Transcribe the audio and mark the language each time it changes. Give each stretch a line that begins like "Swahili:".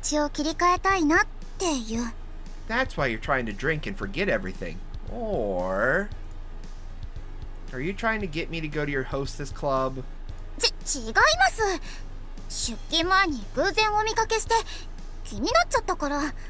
Japanese: それでお酒でも飲んで気持ちを切り替えたいなっていう。
English: That's why you're trying to drink and forget everything. Or... Are you trying to get me to go to your hostess club?
Japanese: 違います! 出勤前に偶然お見かけして気になっちゃったから。